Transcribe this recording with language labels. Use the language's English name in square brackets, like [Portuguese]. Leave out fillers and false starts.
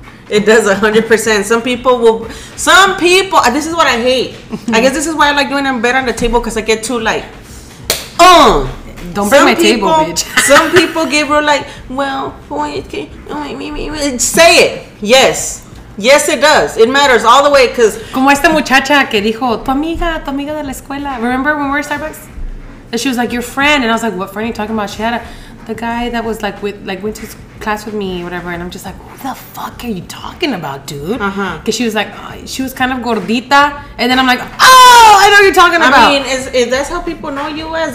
[English] it does 100%. Some people, this is what I hate. I guess this is why I like doing them better on the table, because I get too like, Don't break my table, bitch. Some people give her like, well, wait, say it. Yes, it does. It matters all the way, because... [Spanish] Como esta muchacha que dijo, tu amiga de la escuela. [English] Remember when we were at Starbucks? And she was like, your friend. And I was like, what friend are you talking about? She had the guy that was like, went to class with me or whatever. And I'm just like, what the fuck are you talking about, dude? Because she was like, she was kind of gordita. And then I'm like, oh, I know what you're talking about. I mean, is that how people know you as?